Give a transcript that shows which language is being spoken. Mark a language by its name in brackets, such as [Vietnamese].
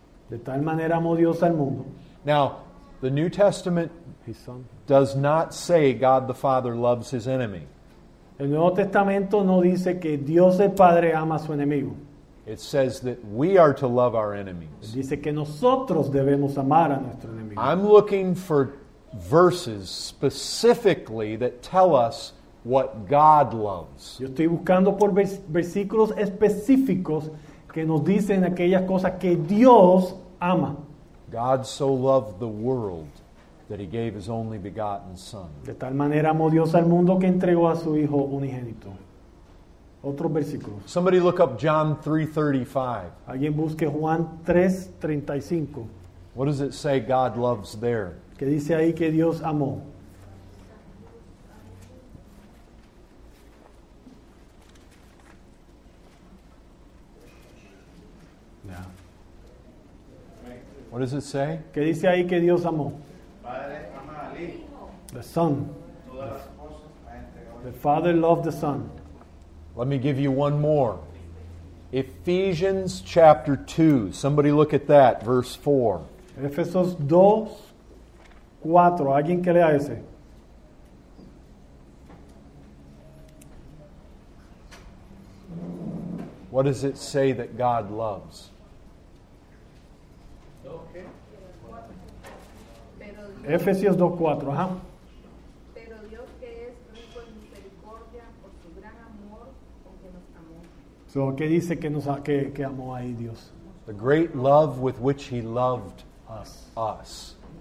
[Spanish] De tal manera amó Dios al mundo. [English] Now, the New Testament does not say God the Father loves his enemy. [Spanish] El Nuevo Testamento no dice que Dios el Padre ama a su enemigo. [English] It says that we are to love our enemies. [Spanish] Dice que nosotros debemos amar a nuestro enemigo. [English] I'm looking for verses specifically that tell us what God loves. [Spanish] Yo estoy buscando por versículos específicos que nos dicen aquellas cosas que Dios ama. [English] God so loved the world that he gave his only begotten son. [Spanish] De tal manera amó Dios al mundo que entregó a su hijo unigénito. Otro versículo. [English] Somebody look up John 3:35. [Spanish] Alguien busque Juan 3:35. [English] What does it say God loves there? [Spanish] ¿Qué dice ahí que Dios amó? [English] What does it say? [Spanish] ¿Qué dice ahí que Dios amó? Padre ama al hijo. [English] The Son. The Father loved the Son. Let me give you one more. Ephesians chapter 2. Somebody look at that, verse 4. [Spanish] Efesios 2, 4. ¿Alguien que lea ese? [English] What does it say that God loves? [Spanish] Efesios 2, 4. Ajá. Pero Dios que es rico en misericordia por su gran amor con que nos amó. So, ¿qué dice que nos que amó ahí Dios? [English] The great love with which he loved us.